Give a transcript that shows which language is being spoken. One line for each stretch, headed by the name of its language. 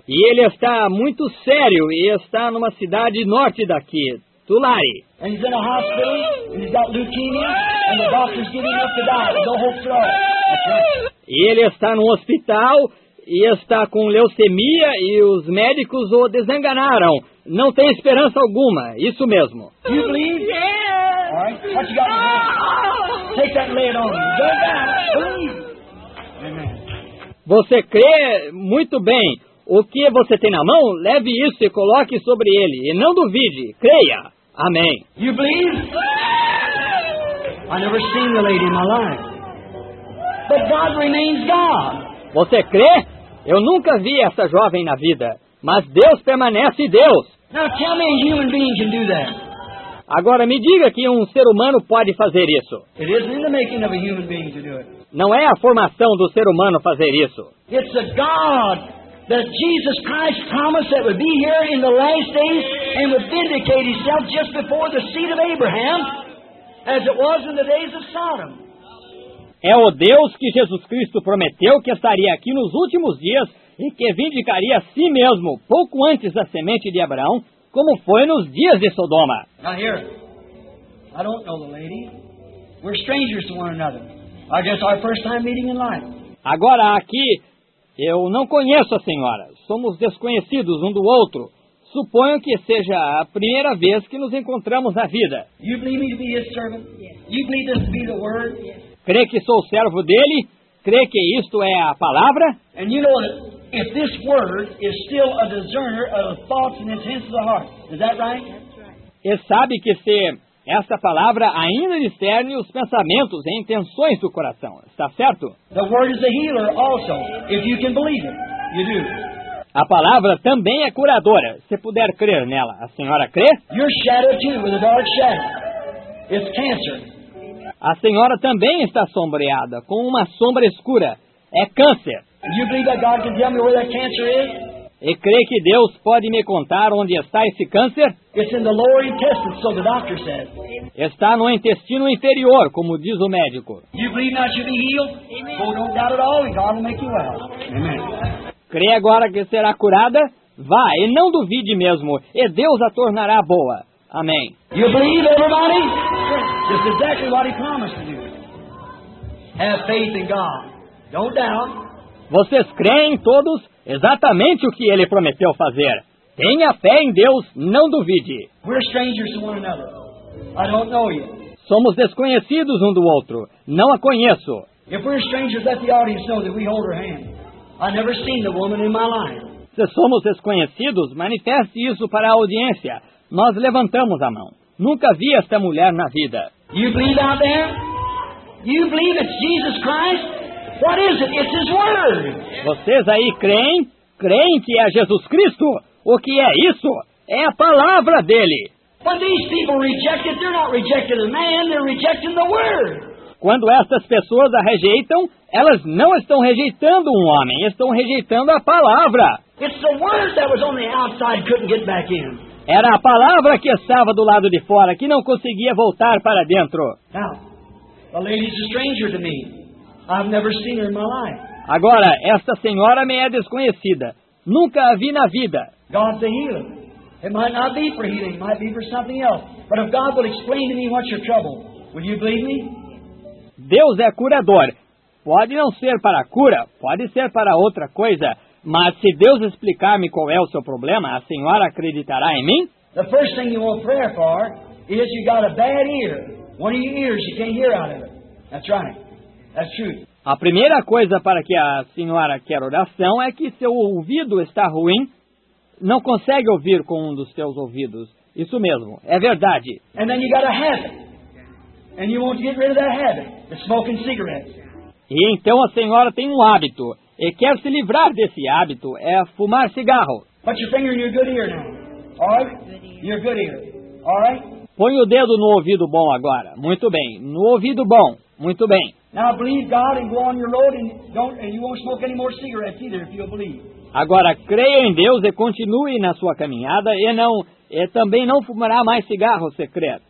Portuguese: E ele está muito sério e está numa cidade norte daqui, Tulare.
English: And he's in a hospital, and he's got leukemia, and the doctor's giving up to die. No hope for all.
Portuguese: E ele está no hospital e está com leucemia e os médicos o desenganaram. Não tem esperança alguma. Isso mesmo.
English: You believe? Yes. All right. What you got? Oh. Take that lead on. Go back. Please. Amen.
Portuguese: Você crê? Muito bem. O que você tem na mão, leve isso e coloque sobre ele. E não duvide. Creia. Amém.
English: You believe? I never seen the lady in my life. But God remains God.
Portuguese: Você crê? Eu nunca vi essa jovem na vida. Mas Deus permanece Deus.
English: Now tell me a human being can do that.
Portuguese: Agora me diga que um ser humano pode fazer isso.
English: It isn't in the making of a human being to do it.
Portuguese: Não é a formação do ser humano fazer isso.
English: It's a God that Jesus Christ promised that would be here in the last days and would vindicate himself just before the seed of Abraham as it was in the days of Sodom.
Portuguese: É o Deus que Jesus Cristo prometeu que estaria aqui nos últimos dias e que vindicaria a si mesmo, pouco antes da semente de Abraão, como foi nos dias de Sodoma.
English: Now here, I don't know the lady. We're strangers to one another. I guess our first time meeting in life.
Portuguese: Agora aqui, eu não conheço a senhora. Somos desconhecidos um do outro. Suponho que seja a primeira vez que nos encontramos na vida.
English: You believe me to be his servant? Yes. You believe this to be the word? Yes.
Portuguese: Crê que sou servo dele? Crê que isto é a palavra?
English: And you know that if this word is still a discerner of thoughts and intents of the heart, is that right? That's right.
Portuguese: E sabe que se esta palavra ainda discerne os pensamentos e intenções do coração, está certo?
English: The word is a healer also, if you can believe it, you do.
Portuguese: A palavra também é curadora, se puder crer nela. A senhora crê?
English: Your shadow too, with a dark shadow. It's cancer.
Portuguese: A senhora também está sombreada com uma sombra escura. É câncer.
English: You believe that God can tell me where that cancer is?
Portuguese: E crê que Deus pode me contar onde está esse câncer?
English: It's in the lower intestine, so the doctor says.
Portuguese: Está no intestino inferior, como diz o médico.
English: You believe that should be healed? Amen. Well, don't doubt it all, and God will make you well. Amen.
Portuguese: Crê agora que será curada? Vá, e não duvide mesmo, e Deus a tornará boa. Amém.
English: You believe, everybody? This is exactly what he promised to do. Have faith in God. Don't doubt.
Portuguese: Vocês creem todos exatamente o que ele prometeu fazer. Tenha fé em Deus, não duvide.
English: We're strangers to one another. I don't know you.
Portuguese: Somos desconhecidos um do outro. Não a conheço.
English: If we're strangers, let the audience know that we hold her hand. I've never seen the woman in my life.
Portuguese: Se somos desconhecidos, manifeste isso para a audiência. Nós levantamos a mão. Nunca vi esta mulher na vida.
English: You believe out there? You believe it's Jesus Christ? What is it? It's His Word.
Portuguese: Vocês aí creem? Creem que é Jesus Cristo? O que é isso? É a palavra dEle.
English: When these people reject it, they're not rejecting a man, they're rejecting the Word.
Portuguese: Quando essas pessoas a rejeitam, elas não estão rejeitando um homem, estão rejeitando a palavra.
English: It's the Word that was on the outside, couldn't get back in.
Portuguese: Era a palavra que estava do lado de fora, que não conseguia voltar para dentro.
English: Now, the lady's a stranger to me. I've never seen her in my life.
Portuguese: Agora, esta senhora me é desconhecida. Nunca a vi na vida.
English: God's a healer. It might not be for healing, it might be for something else. But if God will explain to me what's your trouble, will you believe me?
Portuguese: Deus é curador. Pode não ser para cura, pode ser para outra coisa. Mas se Deus explicar-me qual é o seu problema, a senhora acreditará em mim?
English: The first thing you want prayer for is you got a bad ear. One of your ears, you can't hear out of it. That's right. That's true.
Portuguese: A primeira coisa para que a senhora quer oração é que seu ouvido está ruim. Não consegue ouvir com um dos seus ouvidos. Isso mesmo. É verdade.
English: And then you got a habit. And you want to get rid of that habit. It's smoking cigarettes.
Portuguese: E então a senhora tem um hábito. E quer se livrar desse hábito. É fumar cigarro.
English: Put your finger in your good ear now. All right? Your good ear. All right?
Portuguese: Põe o dedo no ouvido bom agora. Muito bem. No ouvido bom. Muito bem.
English: Now believe God and go on your road and you won't smoke any more cigarettes either if you'll believe.
Portuguese: Agora, creia em Deus e continue na sua caminhada e também não fumará mais cigarro, se crer.